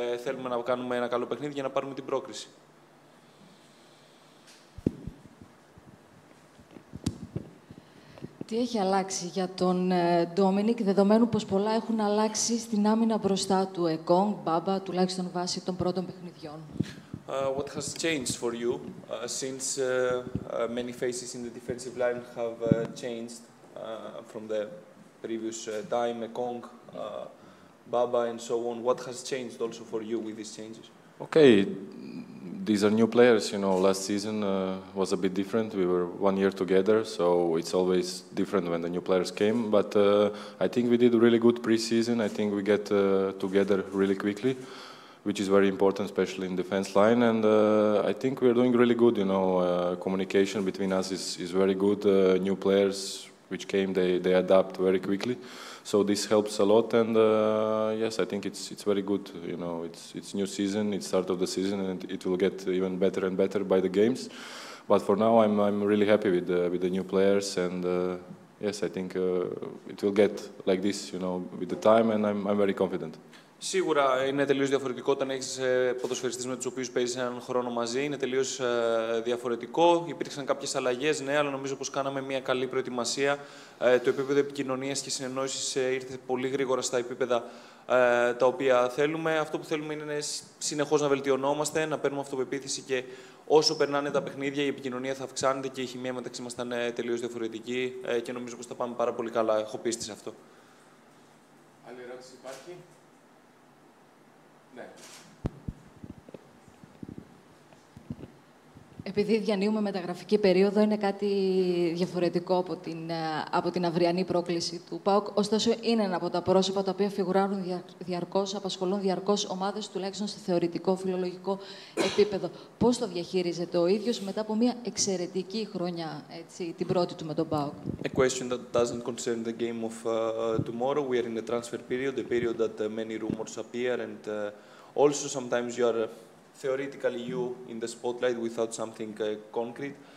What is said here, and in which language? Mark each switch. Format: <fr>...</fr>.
<el>Θέλουμε να κάνουμε ένα καλό παιχνίδι για να πάρουμε την πρόκριση. Τι έχει αλλάξει για τον Ντόμινικ, δεδομένου πως πολλά έχουν αλλάξει στην άμυνα μπροστά του Εκόνγκ, Μπάμπα, τουλάχιστον βάσει των πρώτων παιχνιδιών.</el> <en>What has changed for you since many faces in the defensive line have changed from the previous time, Εκόνγκ, Μπάμπα and so on? What has changed also for you with these changes? Okay, these are new players. You know, last season was a bit different. We were 1 year together, so it's always different when the new players came. But I think we did a really good preseason. I think we get together really quickly, which is very important, especially in defense line. And I think we are doing really good. You know, communication between us is very good. New players which came, they adapt very quickly. So this helps a lot, and yes, I think it's very good. You know, it's new season, it's start of the season, and it will get even better and better by the games. But for now, I'm really happy with the new players, and yes, I think it will get like this, you know, with the time, and I'm very confident.</en> <el>Σίγουρα είναι τελείως διαφορετικό όταν έχεις ποδοσφαιριστές με τους οποίους παίζεις έναν χρόνο μαζί. Είναι τελείως διαφορετικό. Υπήρξαν κάποιες αλλαγές, ναι, αλλά νομίζω πως κάναμε μια καλή προετοιμασία. Το επίπεδο επικοινωνίας και συνεννόησης ήρθε πολύ γρήγορα στα επίπεδα τα οποία θέλουμε. Αυτό που θέλουμε είναι συνεχώς να βελτιωνόμαστε, να παίρνουμε αυτοπεποίθηση και όσο περνάνε τα παιχνίδια, η επικοινωνία θα αυξάνεται και η χημεία μεταξύ μας ήταν τελείως διαφορετική και νομίζω πως θα πάμε πάρα πολύ καλά. Έχω πίστη σε αυτό. Άλλη ερώτηση υπάρχει? Ναι. Επειδή διανύουμε μεταγραφική περίοδο, είναι κάτι διαφορετικό από την αυριανή πρόκληση του ΠΑΟΚ. Ωστόσο, είναι ένα από τα πρόσωπα τα οποία φιγουράρουν διαρκώς, απασχολούν διαρκώς ομάδες, τουλάχιστον σε θεωρητικό, φιλολογικό επίπεδο. Πώς το διαχειρίζεται ο ίδιος μετά από μια εξαιρετική χρονιά, έτσι, την πρώτη του με τον ΠΑΟΚ?</el> <en>A question that doesn't concern the game of tomorrow. We are in a transfer period, a period that many rumors appear, and also sometimes you are theoretically you in the spotlight without something concrete.</en>